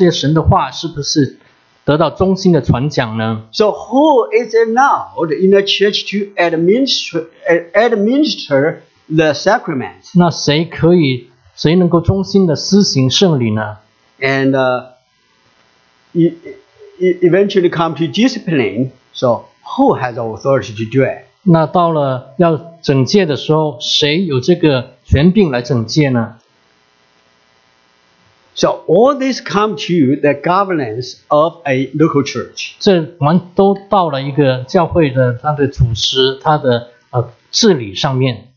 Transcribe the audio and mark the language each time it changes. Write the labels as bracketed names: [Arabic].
[Chinese] 所以究竟什么人能够说这些神的话是不是得到忠心的传讲呢? [English] So who is allowed in a church to administer the sacrament? [Chinese] 那谁能够忠心的施行圣礼呢? [English] And eventually come to discipline, so who has authority to do it? [Chinese] 那到了要惩戒的时候，谁有这个权柄来惩戒呢？ [English] So all this come to the governance of a local church. [Chinese] 这我们都到了一个教会的他的主持，他的治理上面。